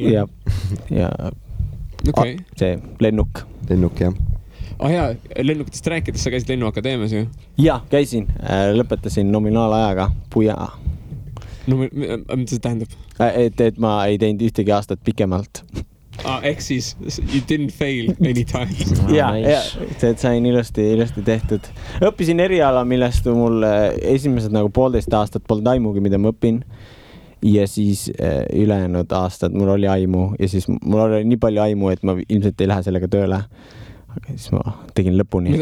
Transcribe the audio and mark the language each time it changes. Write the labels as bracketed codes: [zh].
[et] Jah, jah. Okei. See lennuk. Lennuk, jah. Ah hea, lennukitest rääkides sa käisid lennuakadeemias ju? Jah, käisin. Lõpetasin nominaalajaga pujaa. No mida see tähendab? Et ma ei teinud ühtegi aastat pikemalt. Ah, ehk siis [en] you didn't fail any time. [et] Jah, see sain ilusti tehtud. Õppisin eriala, millest mul esimesed nagu poolteist aastat pole taimugi, mida ma õpin. Ja siis ülejäänud aastat mul oli aimu ja siis mul oli nii palju aimu, et ma ilmselt ei lähe sellega tööle. Aga siis ma tegin lõpuni.